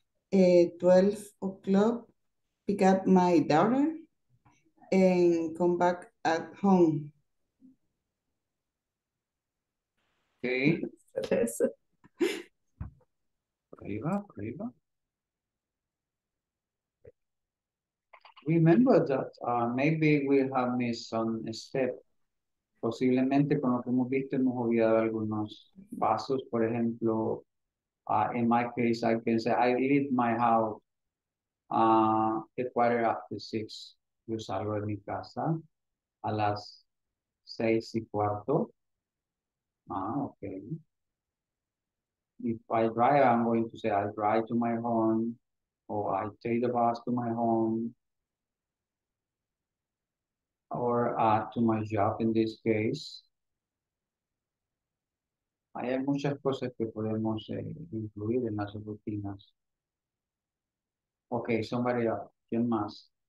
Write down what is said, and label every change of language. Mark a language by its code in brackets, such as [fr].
[en] At 12 o'clock, pick up my daughter and come back at home. Okay. [es] Arriba. [en] Remember that maybe we have missed some step. [es] Posiblemente con lo que hemos visto hemos olvidado algunos pasos. Por ejemplo, [en] in my case, I can say I leave my house a quarter after six. [es] Yo salgo de mi casa a las 6:15. Ah, okay. [en] If I drive, I'm going to say I drive to my home or I take the bus to my home or to my job in this case. [es] Hay muchas cosas que podemos incluir en las rutinas. [en] Okay, somebody else. [es] ¿Quién más?